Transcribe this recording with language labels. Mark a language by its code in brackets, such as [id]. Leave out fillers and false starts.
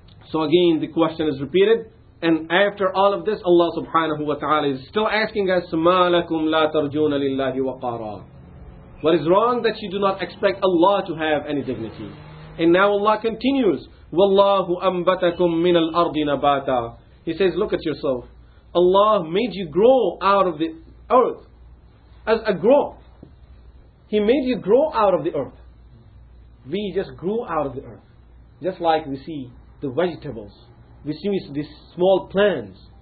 [en] So again, the question is repeated. And after all of this, Allah subhanahu wa ta'ala is still asking us, [ar] مَا لَكُمْ لَا تَرْجُونَ لِلَّهِ وَقَارًا. [en] What is wrong that you do not expect Allah to have any dignity? And now Allah continues, [ar] وَاللَّهُ أَنْبَتَكُمْ مِنَ الْأَرْضِ نَبَاتًا. [en] He says, look at yourself. Allah made you grow out of the earth as a growth. He made you grow out of the earth. We just grew out of the earth. Just like we see the vegetables. We see these small plants.